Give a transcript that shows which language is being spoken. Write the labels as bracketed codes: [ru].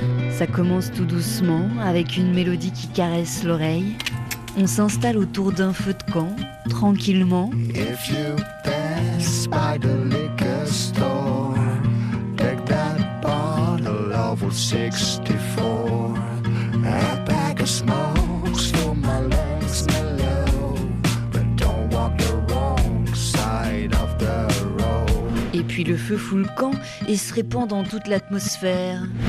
[fr] Ça commence tout doucement, avec une mélodie qui caresse l'oreille. On s'installe autour d'un feu de camp, tranquillement. [en] If you pass by the liquor store, take that bottle of old 64. A pack of smokes for my legs mellow, but don't walk the wrong side of the road. [fr] Et puis le feu fout le camp et se répand dans toute l'atmosphère.